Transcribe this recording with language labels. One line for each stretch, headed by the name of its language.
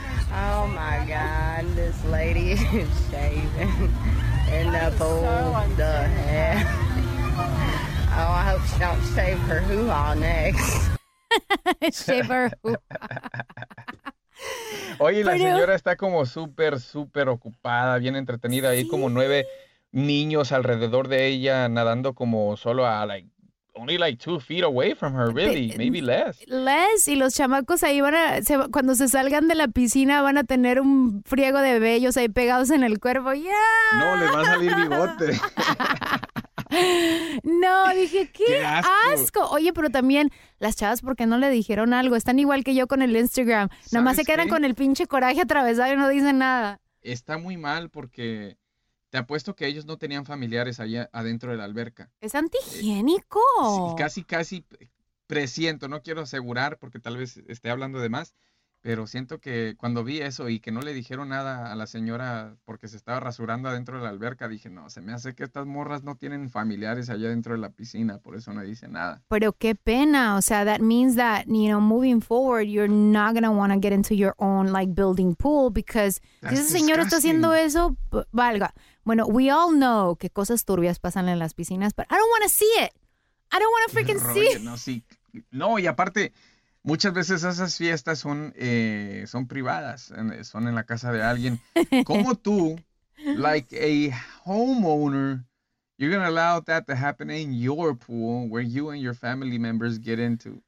English: Oh my God, this lady is shaving. In the pool, the hell. Oh, I hope she don't shave her hoo-ha next. Shiver.
Spanish: Oye, la señora está como súper, súper ocupada, bien entretenida. Hay como 9 niños alrededor de ella nadando como solo a,
English: like, only like 2 feet away from her, really, maybe less.
Spanish: Less, y los chamacos ahí cuando se salgan de la piscina, van a tener un friego de vellos ahí pegados en el cuerpo.
English: ¡Yeah!
Spanish: No, les va a salir bigote. No, dije, ¡qué asco! Oye, pero también, las chavas, ¿por qué no le dijeron algo? Están igual que yo con el Instagram. Nomás se quedan con el pinche coraje atravesado y no dicen nada. Está muy mal porque te apuesto que ellos no tenían familiares allá adentro de la alberca. ¡Es antihigiénico! Sí, casi, casi presiento. No quiero asegurar porque tal vez esté hablando de más. Pero siento que cuando vi eso y que no le dijeron nada a la señora porque se estaba rasurando adentro de la alberca, dije, no, se me hace que estas morras no tienen familiares allá dentro de la piscina, por eso no dice nada. Pero qué pena, o sea,
English: that means that, you know, moving forward, you're not going to want to get into your own, like, building pool, because
Spanish: si ese señor está haciendo eso, valga.
English: Bueno, we all know
Spanish: que cosas turbias pasan en las piscinas,
English: but I don't want to see it. I don't want to freaking see it.
Spanish: No, sí. No, y aparte, muchas veces esas fiestas son privadas, son en la casa de alguien. ¿Cómo tú,
English: like a homeowner, you're gonna allow that to happen in your pool where you and your family members get into?